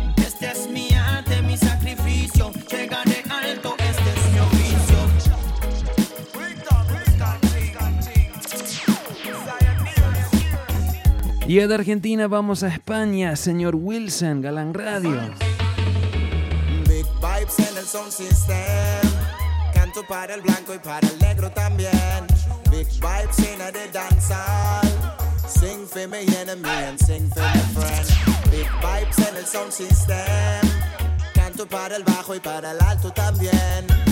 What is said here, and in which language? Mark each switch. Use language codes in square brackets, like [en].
[es] Este es mi arte, mi sacrificio, llegaré alto, este es mi oficio. Y de Argentina vamos a España, señor Wilson, Galán Radio. [en] Big vibes [es] en el [en] sound system. [es] Canto para el blanco y para el negro también. [en] Big vibes [es] llena de danzar. [en] Sing for my enemy and sing for my friend. Big vibes [es] en el [en] sound system. [es] Canto para el bajo y para el alto también.